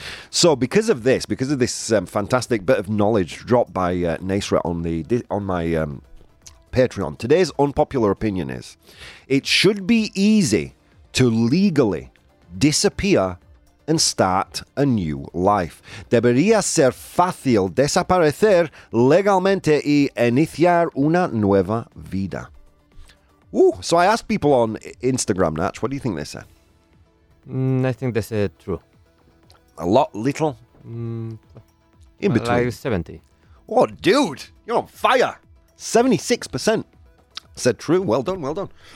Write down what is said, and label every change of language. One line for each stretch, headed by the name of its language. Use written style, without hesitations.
English: So because of this fantastic bit of knowledge dropped by Nasra on my Patreon, today's unpopular opinion is it should be easy to legally disappear and start a new life.
Spanish: Debería ser fácil desaparecer legalmente y iniciar una nueva vida.
English: Ooh, so I asked people on Instagram, Natch, what do you think they said? I think they said true. A lot, little? In between. Like 70. Oh, dude, you're on fire. 76% said true. Well done.